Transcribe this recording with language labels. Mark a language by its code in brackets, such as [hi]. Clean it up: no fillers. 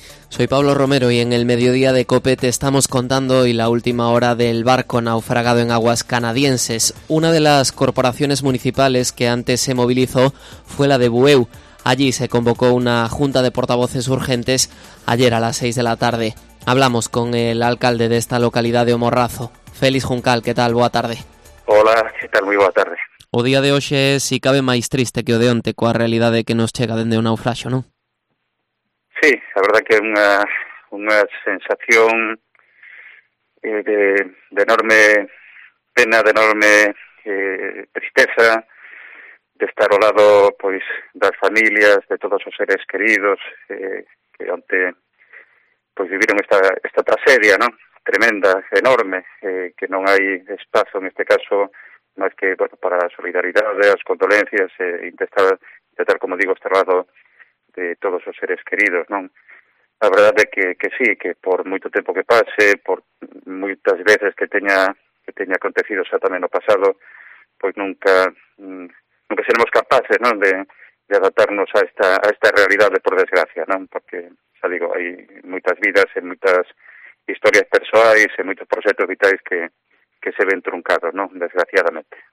[es] Soy Pablo Romero y en el mediodía de COPE te estamos contando hoy la última hora del barco naufragado en aguas canadienses. Una de las corporaciones municipales que antes se movilizó fue la de Bueu. Allí se convocó una junta de portavoces urgentes ayer a las 6 de la tarde. Hablamos con el alcalde de esta localidad de Omorrazo, Félix Juncal. ¿Qué tal? [gl] Boa tarde. [es] Hola, ¿qué tal? Muy boa tarde. [gl] O día de hoxe é, si cabe, máis triste que o de onte coa realidade que nos chega dende o naufraxo, non? [es] Sí, la verdad que una sensación de enorme pena, de enorme tristeza, de estar al lado pues de las familias, de todos los seres queridos que ante pues vivieron esta tragedia, ¿no? Tremenda, enorme, que no hay espacio en este caso más que bueno, para solidaridad, las condolencias, intentar como digo estar al lado de todos [gl] os seres queridos, non? A verdade é que sí, que por moito tempo que pase, por moitas veces que teña acontecido xa tamén no pasado, pois nunca seremos capaces, non, de adaptarnos a esta realidade, por desgracia, non? Porque, xa digo, hai moitas vidas e moitas historias persoais e moitos proxectos vitais que se ven truncados, non? Desgraciadamente.